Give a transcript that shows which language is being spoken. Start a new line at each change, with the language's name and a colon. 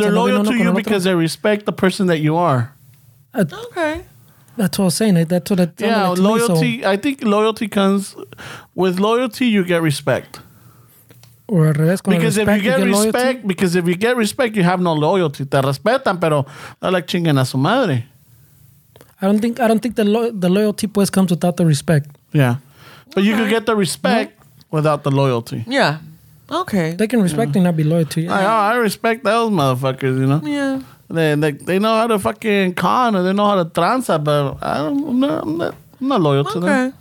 English: They're loyal to you because they respect the person that you are. Okay. That's what I'm saying. That's what I'm yeah, like loyalty. Me, so. I think loyalty comes with loyalty, you get respect. Or
Spanish: al revés,
English: because respect, if you get, you get respect, loyalty? Because if you get respect, you have no loyalty.
Spanish: Te respetan, pero no le chinguen a su madre.
English: I don't think the loyalty pues comes without the respect. Yeah, okay. But you can get the respect without the loyalty. Yeah, okay. They can respect and not be loyal to you. I respect those motherfuckers. You know. Yeah. They know how to fucking con and they know how to tranza, but I'm not loyal to them.